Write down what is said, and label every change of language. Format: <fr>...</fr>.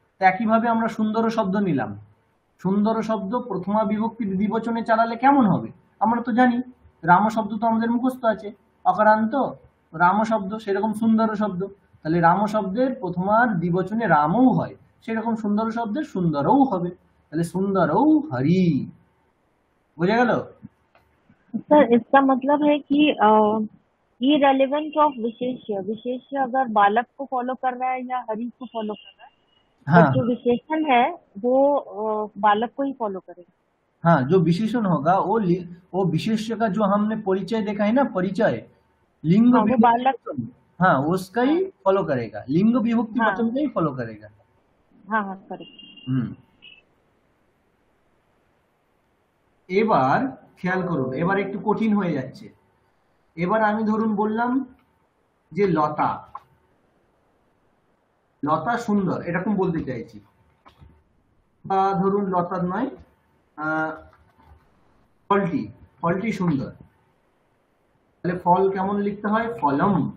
<bn>একইভাবে আমরা সুন্দর শব্দ নিলাম, সুন্দর শব্দ প্রথমা বিভক্তির দ্বিবচনে চালালে কেমন হবে আমরা তো জানি, রাম শব্দ তো আমাদের মুখস্থ আছে অকারান্ত রাম শব্দ, সেরকম সুন্দর শব্দ তাহলে রাম শব্দের প্রথমার দ্বিবচনে রামও হয়, সেরকম সুন্দর শব্দের সুন্দরও হবে, তাহলে সুন্দরও হরি, বোঝা গেল?</bn> <hi>सर इसका मतलब है कि ये रेलेवेंट ऑफ विशेष्य, विशेष्य अगर बालक को फॉलो कर रहा है या हरी को फॉलो कर रहा है, हाँ, तो जो विशेषण है वो बालक को ही फॉलो करेगा। हाँ, जो विशेषण होगा वो विशेष्य का जो हमने परिचय देखा है ना, परिचय लिंग, हाँ, बालक, हाँ, उसका ही फॉलो करेगा, लिंग विभक्ति वचन, हाँ, का ही फॉलो करेगा। हाँ हाँ करेगा।</hi> <bn>এবার খেয়াল করুন, এবার একটু কঠিন হয়ে যাচ্ছে। এবার আমি ধরুন বললাম যে লতা, লতা সুন্দর এরকম বলতে চাইছি, বা ধরুন লতার নয় ফলটি, ফলটি সুন্দর, তাহলে ফল কেমন লিখতে হয়? ফলম।</bn>